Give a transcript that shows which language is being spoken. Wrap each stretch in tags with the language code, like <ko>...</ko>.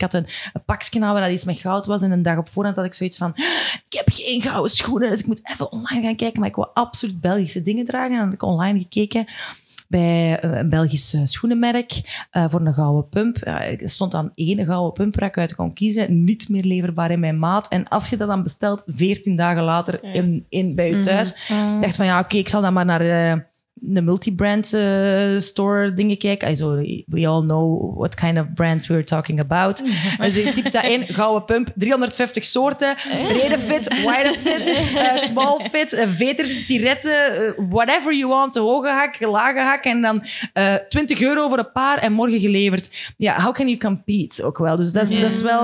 <nl>Ik had een pakje aan waar dat iets met goud was en een dag op voorhand had ik zoiets van, ik heb geen gouden schoenen, dus ik moet even online gaan kijken, maar ik wil absoluut Belgische dingen dragen. En dan heb ik online gekeken bij een Belgisch schoenenmerk voor een gouden pump. Er stond dan één gouden pump waar ik uit kon kiezen. Niet meer leverbaar in mijn maat. En als je dat dan bestelt, 14 dagen later in bij je thuis, dacht van, ik zal dan maar naar de multibrand store dingen kijken.</nl> <en>Also, we all know what kind of brands we're talking about.</en> <nl>Dus ik typ dat in, gouden pump, 350 soorten, brede fit, wide fit, small fit, veters, tiretten, whatever you want, hoge hak, lage hak, en dan €20 voor een paar en morgen geleverd. Ja, how can you compete ook wel? Dus dat is wel...</nl>